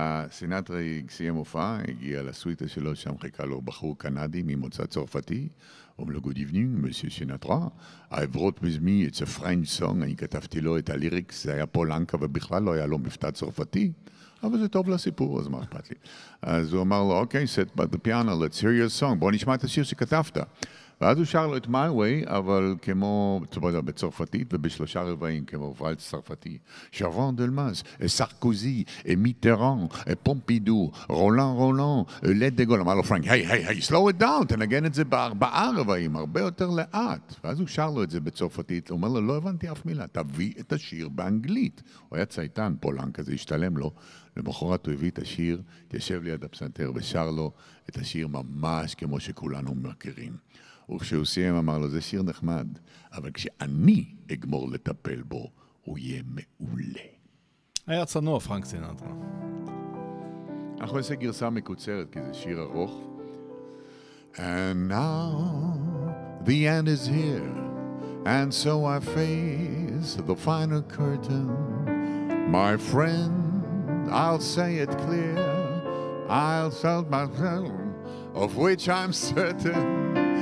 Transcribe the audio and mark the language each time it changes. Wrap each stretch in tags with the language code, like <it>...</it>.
<he>סינת רגע סיים הופעה, הגיע לסוויטה שלו, שם חיכה לו בחור קנדי ממוצא צרפתי, אומר לו,</he> <en>good evening, monsieur Sinatra, I brought with me, it's a French song,</en> <he>אני כתבתי לו את הליריקס, זה היה פולנקה ובכלל לא היה לו מבטא צרפתי. אבל זה טוב לסיפור, אז מה אכפת לי? אז הוא אמר לו, אוקיי,</he> <en>sit by the piano, let's hear your song.</en> <he>בוא נשמע את השיר שכתבת. ואז הוא שר לו את My Way, אבל כמו, צריך לדעת, בצרפתית ובשלושה רבעים, כמו ולץ צרפתי. שרון דלמאס, סרקוזי, מיטרן, פומפידו, רולן רולן, לד דה גול. אמר לו, פרנק, היי, היי, היי,</he> <en>slow it down,</en> <he>תנגן את זה בארבעה רבעים, הרבה יותר לאט. ואז הוא שר לו את זה בצרפתית, אומר לו, לא הבנתי אף מילה, תביא את השיר באנגלית. הוא היה צייטן, פולן כזה, השתלם לו. למחרת הוא הביא את השיר, תיישב ליד הפסנתר ושר לו את השיר ממש כמו שכולנו מכירים. וכשהוא סיים אמר לו, זה שיר נחמד, אבל כשאני אגמור לטפל בו, הוא יהיה מעולה. היה צנוע, פרנק סינטרה. אנחנו נעשה גרסה מקוצרת, כי זה שיר ארוך.</he> <en>And now the end is here, and so I face the final curtain. My friend, I'll say it clear, I'll tell myself, of which I'm certain.</en>